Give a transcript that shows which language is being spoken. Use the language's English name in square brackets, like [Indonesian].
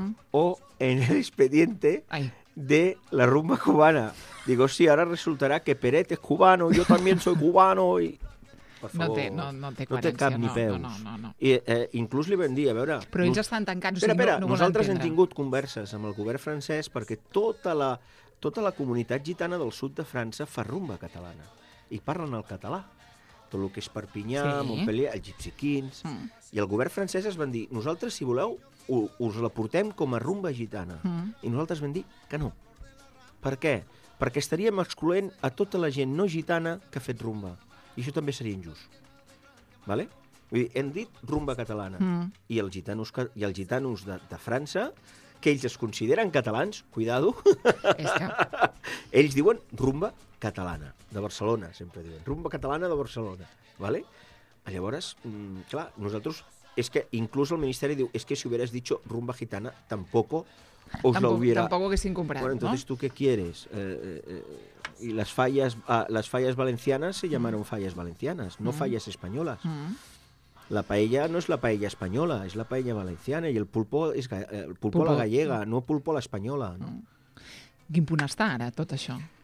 [Spanish] O en el expediente de la Rumba cubana. [Catalan] Digo, sí, ara resultarà que Peret és cubano, jo també [Spanish] soy cubano. [Catalan] I... Per favor, no té cap ni peus. No. I, inclús li vam dir, a veure... Però ells estan tancats, o sigui, no nosaltres entendre. Hem tingut converses amb el govern francès perquè tota la comunitat gitana del sud de França fa Rumba catalana i parlen el català. Tot el que és Perpinyà, sí. Montpellier, els Gypsy Kings... Mm. I el govern francès es van dir, nosaltres, si voleu, us la portem com a Rumba gitana. Mm. I nosaltres vam dir que no. Per què? Perquè estaríem excloent a tota la gent no gitana que ha fet Rumba. I això també seria injust. Vale? Vull dir, hem dit Rumba catalana. Mm. I els gitanos de França, que ells es consideren catalans, cuidado, ells diuen Rumba catalana, de Barcelona, sempre diuen. Rumba catalana de Barcelona, vale? Llavors, clar, nosaltres, és que inclús el Ministeri diu, és que [Spanish] si hubieras dicho Rumba gitana, tampoco os lo hubiera... [Catalan] Tampoco haguessin comprat, [Spanish] bueno, entonces, no? ¿Tú qué quieres? Y las fallas valencianas se llamaron fallas valencianas, no fallas españolas. [Catalan] La paella no és la paella espanyola, és la paella valenciana, i el pulpo és [Spanish] el pulpo a la gallega, [Catalan] no pulpo a l'espanyola. No? Quin punt està ara, tot això?